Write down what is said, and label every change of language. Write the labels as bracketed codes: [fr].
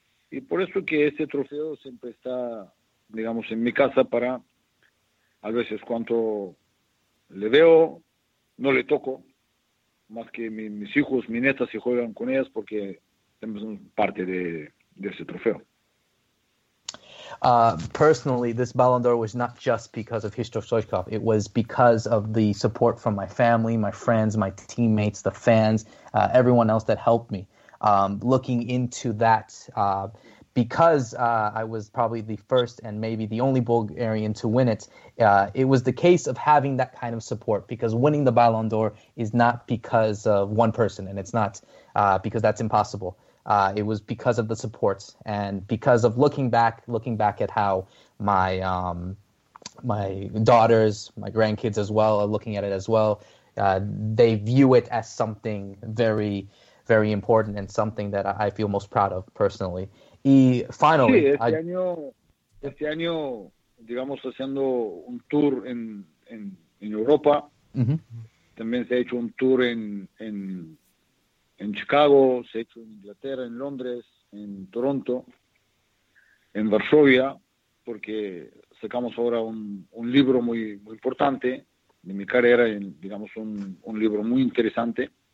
[es] Y por eso que este trofeo siempre está, digamos, en mi casa para, a veces, cuando le veo, no le toco, más que mis hijos, mis nietas, si juegan con ellas, porque son parte de ese trofeo. [en] Personally, this Ballon d'Or was not just because of Hristo Stoichkov. It was because of the support from my family, my friends, my teammates, the fans, everyone else that helped me. Looking into that, because I was probably the first and maybe the only Bulgarian to win it, it was the case of having that kind of support, because winning the Ballon d'Or is not because of one person, and it's not because that's impossible. It was because of the support and because of looking back at how my my daughters, my grandkids as well, are looking at it as well. They view it as something very, very important and something that I feel most proud of personally. [es] Y [en] finally, [es] sí, este año, digamos, haciendo un tour en Europa. Mm-hmm. También se ha hecho un tour en Chicago, se ha hecho en Inglaterra, en Londres, en Toronto, en Varsovia, porque sacamos ahora un libro muy, muy importante de mi carrera, digamos, un libro muy interesante.